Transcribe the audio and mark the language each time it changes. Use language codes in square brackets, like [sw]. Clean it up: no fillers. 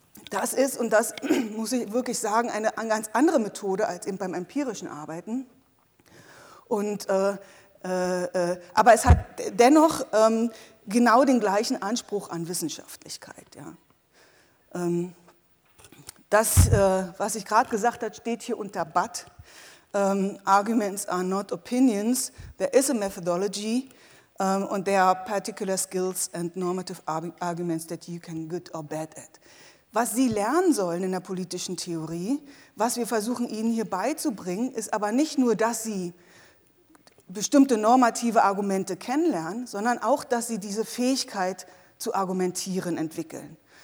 [de] Das ist, und das muss ich wirklich sagen, eine ganz andere Methode als eben beim empirischen Arbeiten. Und, aber es hat dennoch genau den gleichen Anspruch an Wissenschaftlichkeit. Ja. Das, was ich gerade gesagt habe, steht hier unter BAT. [en] Arguments are not opinions. There is a methodology and there are particular skills and normative arguments that you can good or bad at. [de] Was Sie lernen sollen in der politischen Theorie, was wir versuchen Ihnen hier beizubringen, ist aber nicht nur, dass Sie bestimmte normative Argumente kennenlernen, sondern auch, dass Sie diese Fähigkeit zu argumentieren entwickeln.